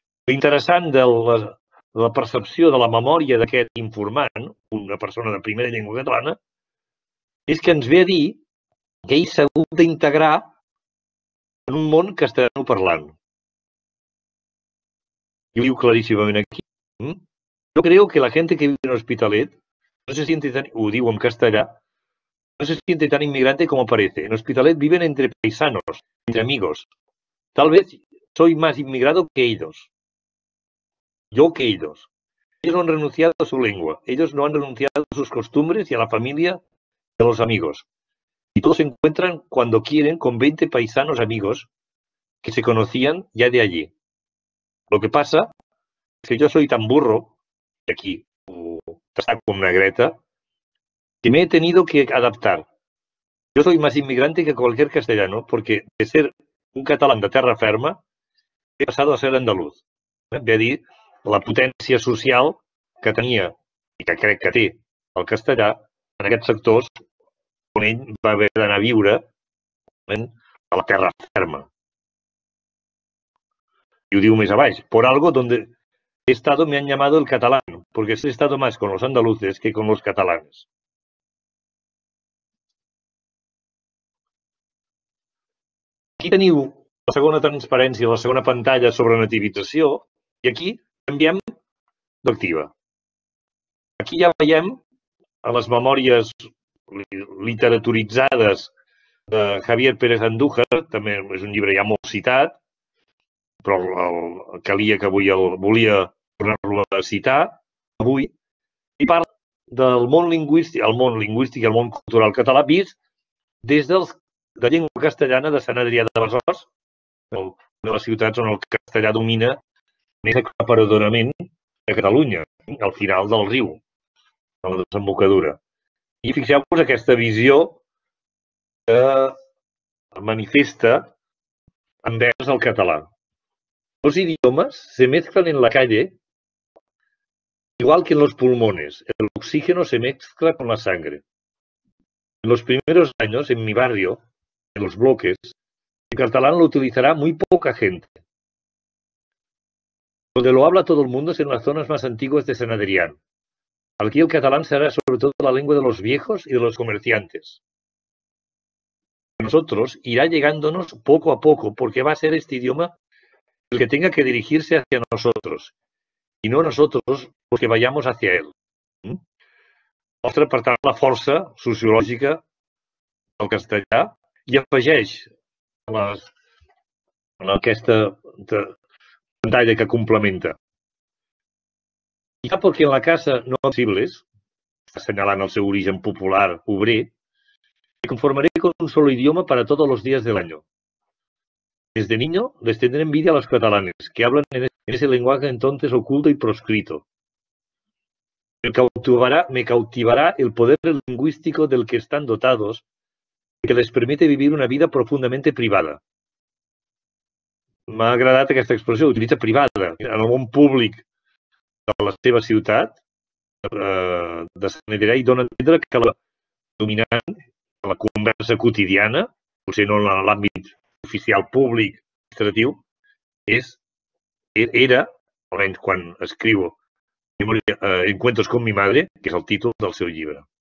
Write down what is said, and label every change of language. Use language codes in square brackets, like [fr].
[ca] L'interessant de la percepció de la memòria d'aquest informant, una persona de primera llengua catalana, és que ens ve a dir que ell s'ha hagut d'integrar en un món que estem parlant. I ho diu claríssimament aquí. [es] Jo creo que la gente que vive en Hospitalet no se siente tan, [ca] ho diu en castellà, [es] no se siente tan inmigrante como parece. En Hospitalet viven entre paisanos, entre amigos. Tal vez soy más inmigrado que ellos. Yo que ellos. Ellos no han renunciado a su lengua. Ellos no han renunciado a sus costumbres y a la familia de los amigos. Y todos se encuentran cuando quieren con 20 paisanos amigos que se conocían ya de allí. Lo que pasa es que yo soy tan burro, y aquí está con una greta, que me he tenido que adaptar. Yo soy más inmigrante que cualquier castellano porque de ser un catalán de terra ferma he pasado a ser andaluz. [ca] Ve a dir la potència social que tenia i que crec que té el castellà en aquests sectors on ell va haver d'anar a viure a la terra ferma. I ho diu més abaix. [es] Por algo donde he estado me han llamado el catalán, porque he estado más con los andaluces que con los catalanes. [ca] Aquí teniu la segona transparència, la segona pantalla sobre nativització, i aquí canviem d'activa. Aquí ja veiem a les memòries literaturitzades de Javier Pérez Andújar, també és un llibre ja molt citat, però calia que avui el volia tornar-lo a citar, avui, i parla del món lingüístic i el món cultural català vist des dels, de llengua castellana de Sant Adrià de Besòs, una de les ciutats on el castellà domina més aclaparadorament a Catalunya, al final del riu, a la desembocadura. I fixeu-vos aquesta visió que manifesta envers el català. [es] Dos idiomes se mezclan en la calle igual que en los pulmones. El oxígeno se mezcla con la sangre. En los primeros años, en mi barrio, en los bloques, el catalán lo utilizará muy poca gente. Donde lo habla todo el mundo es en las zonas más antiguas de San Adrián. Aquí el catalán será sobre todo la lengua de los viejos y de los comerciantes. A nosotros irá llegándonos poco a poco, porque va a ser este idioma el que tenga que dirigirse hacia nosotros y no nosotros los que vayamos hacia él. [ca] Mostra, per tant, la força sociològica del castellà i afegeix en aquesta pantalla que complementa. [es] Quizá porque en la casa no hay posibles, [ca] assenyalant el seu origen popular obrer, [es] me conformaré con un solo idioma para todos los días del año. Desde niño les tendré envidia a los catalanes, que hablan en ese lenguaje entonces oculto y proscrito. Me cautivará el poder lingüístico del que están dotados y que les permite vivir una vida profundamente privada. [ca] M'ha agradat aquesta expressió, utilitza privada, en el món públic de la seva ciutat, de Sant Adrià, i dona a entendre que la dominant, la conversa quotidiana, potser no en l'àmbit oficial públic, administratiu, era, almenys quan escriu Encuentros con mi madre, que és el títol del seu llibre.